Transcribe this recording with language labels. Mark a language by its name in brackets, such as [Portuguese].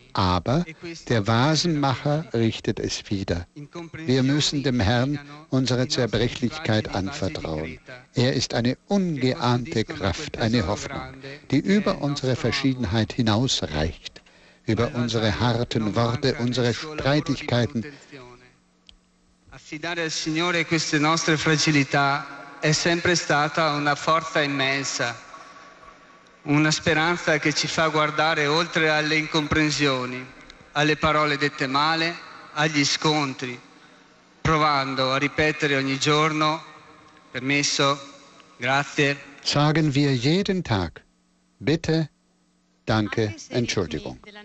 [German] Aber der Vasenmacher richtet es wieder. Wir müssen dem Herrn unsere Zerbrechlichkeit anvertrauen. Er ist eine ungeahnte Kraft, eine Hoffnung, die über unsere Verschiedenheit hinausreicht, über unsere harten Worte, unsere Streitigkeiten. [Italian] Affidare al Signore queste nostre fragilità è sempre stata una forza immensa, una speranza che ci fa guardare oltre alle incomprensioni, alle parole dette male, agli scontri, provando a ripetere ogni giorno, permesso, grazie. [German] Sagen wir jeden Tag, bitte, danke, Entschuldigung.